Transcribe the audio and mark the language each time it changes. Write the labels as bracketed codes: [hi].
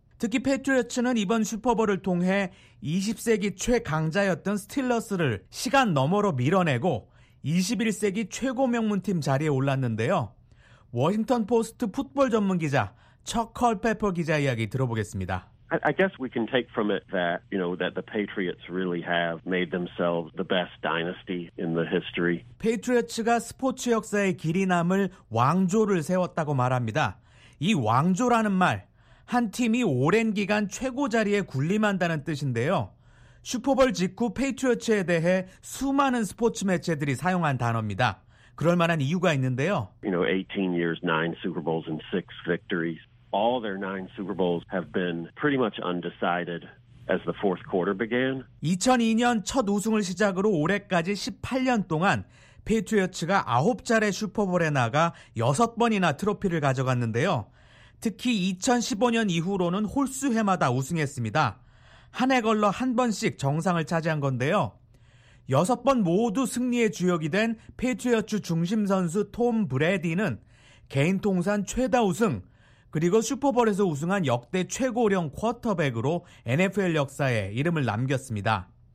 [ko] 특히 패트리어츠는 이번 슈퍼볼을 통해 20세기 최강자였던 스틸러스를 시간 너머로 밀어내고 21세기 최고 명문팀 자리에 올랐는데요. 워싱턴 포스트 풋볼 전문 기자 척 컬페퍼 기자 이야기 들어보겠습니다. [en] I guess we can take from it that, you know, that the Patriots really have made themselves the best dynasty in the history. [ko] 페이트리어츠가 스포츠 역사에 길이 남을 왕조를 세웠다고 말합니다. 이 왕조라는 말, 한 팀이 오랜 기간 최고 자리에 군림한다는 뜻인데요. 슈퍼볼 직후 페이트리어츠에 대해 수많은 스포츠 매체들이 사용한 단어입니다. 그럴 만한 이유가 있는데요. [en] You know, 18 years, 9 Super Bowls and 6 victories. All their nine Super Bowls have been pretty much undecided as the fourth quarter began. [ko] 2002년 첫 우승을 시작으로 올해까지 18년 동안 페이트리어츠가 9차례 슈퍼볼에 나가 6번이나 트로피를 가져갔는데요. 특히 2015년 이후로는 홀수 해마다 우승했습니다. 한 해 걸러 한 번씩 정상을 차지한 건데요. 6번 모두 승리의 주역이 된 페이트리어츠 중심 선수 톰 브래디는 개인 통산 최다 우승, 그리고 슈퍼볼에서 우승한 역대 최고령 쿼터백으로 NFL 역사에 이름을 남겼습니다.